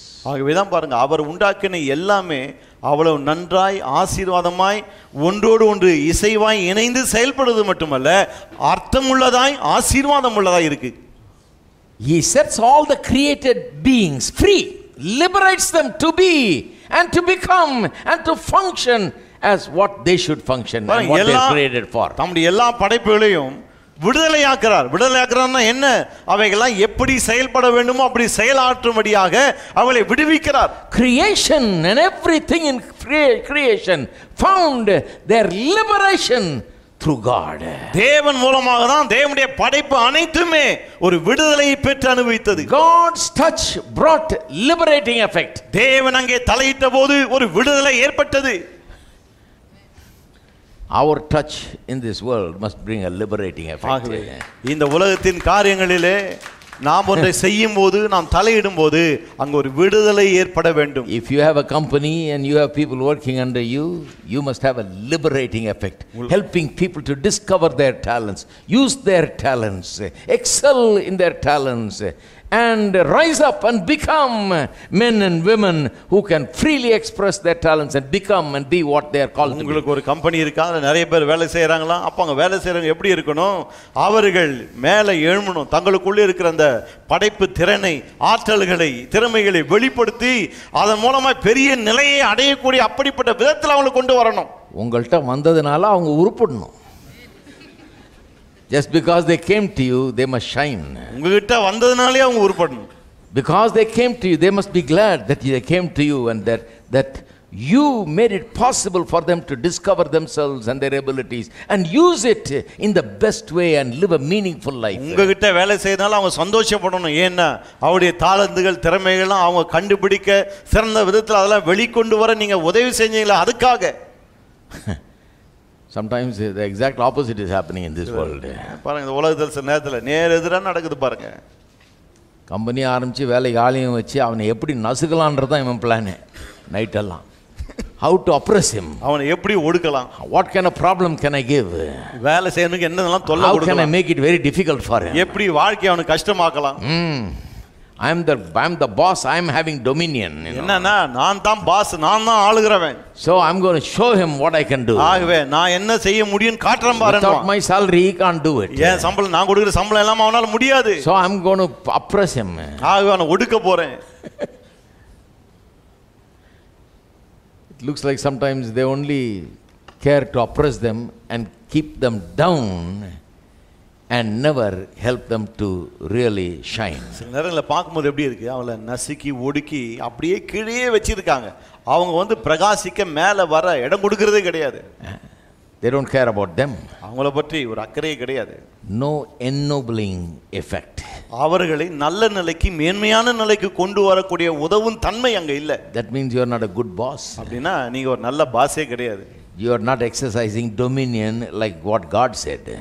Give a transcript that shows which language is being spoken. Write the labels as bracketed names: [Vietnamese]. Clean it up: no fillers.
[Tamil] ஆகவே தான் பாருங்க, அவர் உண்டாக்கின எல்லாமே அவ்வளவு நன்றாய் ஆசீர்வாதமாய் ஒன்றோடு ஒன்று இசைவாய் இணைந்து செயல்படுவது மட்டுமல்ல, அர்த்தமுள்ளதாய் ஆசீர்வாதமுள்ளதாய் இருக்கு. [English] He sets all the created beings free, liberates them to be and to become and to function as what they should function and what they are created for. [Tamil] தம்முடைய எல்லா படைப்புகளையும் விடுதலையாக்குறார். விடுதலையாக்குறார்னா என்ன? அவைகளெல்லாம் எப்படி செயல்பட வேண்டுமோ அப்படி செயலாற்றும்படியாக அவளை விடுவிக்கிறார். [English] Creation and everything in creation found their liberation through God. [Tamil] தேவன் மூலமாக தான் தேவனுடைய படைப்பு அனைத்துமே ஒரு விடுதலையை பெற்று அனுபவித்தது. [English] God's touch brought liberating effect. [Tamil] தேவன் அங்கே தலையிட்ட போது ஒரு விடுதலை ஏற்பட்டது. [English] Our touch in this world must bring a liberating effect. [Tamil] இந்த உலகத்தின் காரியங்களிலே நாம் ஒன்றை செய்யும் போது, நாம் தலையிடும் போது அங்க ஒரு விடுதலை ஏற்பட வேண்டும். [English] If you have a company and you have people working under you, you must have a liberating effect, helping people to discover their talents, use their talents, excel in their talents and rise up and become men and women who can freely express their talents and become and be what they are called. [Tamil] உங்களுக்கு ஒரு company இருக்கா, அதுல நிறைய பேர் வேலை செய்றாங்களா, அப்ப அங்க வேலை செய்றவங்க எப்படி இருக்கணும், அவர்கள் மேலே எழும்பணும், தங்களுக்குள்ளே இருக்கிற அந்த படைப்பு திறனை, ஆற்றல்களை, திறமைகளை வெளிப்படுத்தி அதன் மூலமா பெரிய நிலையை அடையக்கூடிய அப்படிப்பட்ட விதத்தில் அவங்களை கொண்டு வரணும். உங்கள்கிட்ட வந்ததுனால அவங்க உருப்படணும். [English] Just because they came to you, they must shine. [Tamil] உங்ககிட்ட வந்ததனாலே அவங்க உருப்படணும். [English] Because they came to you, they must be glad that they came to you and that you made it possible for them to discover themselves and their abilities and use it in the best way and live a meaningful life. [Tamil] உங்ககிட்ட வேலை செய்யறதால அவங்க சந்தோஷப்படணும். ஏன்னா அவருடைய தாளந்துகள், திறமைகள்லாம் அவங்க கண்டுபிடிக்க சிறந்த விதத்தில் அதெல்லாம் வெளிக்கொண்டு வர நீங்க உதவி செஞ்சீங்களா, அதுக்காக. [English] Sometimes the exact opposite is happening in this world. [Tamil] பாருங்க, இந்த உலகத்துல சில நேரத்துல நேர் எதிரா நடக்குது. பாருங்க, கம்பெனி ஆரம்பிச்சு வேலை ஆளையும் வச்சு அவனை எப்படி நசுக்கலான்றதான் இவன் பிளானு. நைட் எல்லாம் [English] how to oppress him, [Tamil] அவனை எப்படி ஒடுக்கலாம், [English] what kind of problem can I give, [Tamil] வேலை செய்யணுக்கு என்னெல்லாம் தொல்லை கொடுக்கலாம், [English] how can I make it very difficult for him, [Tamil] எப்படி வாழ்க்கைய அவனை கஷ்டமாக்கலாம். [English] I am the boss, I am having dominion, you know. [Tamil] Na naan tham boss, naan dhaan aalugiraven. [English] So I am going to show him what I can do. [Tamil] Aagave na enna seiya mudiyum kaatran paarenna. [English] Without my salary he can't do it. [Tamil] Yeah, sambal naan kodukra sambal ellam avanal mudiyadhu. [English] So I am going to oppress him. [Tamil] Aagave avana odukka poren. [English] It looks like sometimes they only care to oppress them and keep them down and never help them to really shine. [Tamil] சில நேரங்களில் பார்க்கும்போது எப்படி இருக்கு, அவளை நசுக்கி ஒடுக்கி அப்படியே கீழே வச்சிருக்காங்க. அவங்க வந்து பிரகாசிக்க மேலே வர இடம் கொடுக்கறதே கிடையாது. [English] They don't care about them. [Tamil] அவங்கள பற்றி ஒரு அக்கறையே கிடையாது. [English] No ennobling effect. [Tamil] அவர்களை நல்ல நிலைக்கு, மேன்மையான நிலைக்கு கொண்டு வரக்கூடிய உதவும் தன்மை அங்க இல்ல. [English] That means you are not a good boss. [Tamil] அப்படினா நீங்க ஒரு நல்ல பாஸே கிடையாது. [English] You are not exercising dominion like what God said.